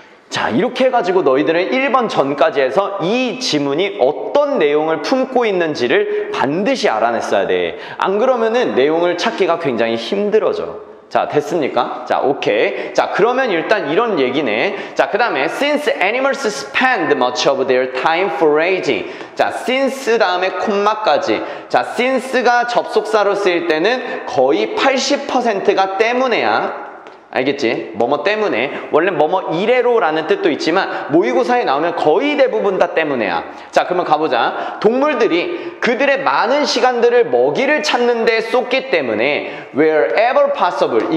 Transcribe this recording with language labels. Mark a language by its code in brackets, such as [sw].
[ko] 자, 이렇게 해가지고 너희들은 1번 전까지 해서 이 지문이 어떤 내용을 품고 있는지를 반드시 알아냈어야 돼. 안 그러면은 내용을 찾기가 굉장히 힘들어져. 자, 됐습니까? 자, 오케이. 자, 그러면 일단 이런 얘기네. 자, 그 다음에 [en] since animals spend much of their time foraging. [ko] 자, since 다음에 콤마까지. 자, since가 접속사로 쓰일 때는 거의 80%가 때문에야. 알겠지? 뭐뭐 때문에. 원래 뭐뭐 이래로라는 뜻도 있지만 모의고사에 나오면 거의 대부분 다 때문에야. 자, 그러면 가보자. 동물들이 그들의 많은 시간들을 먹이를 찾는 데 쏟기 때문에 [en] wherever possible.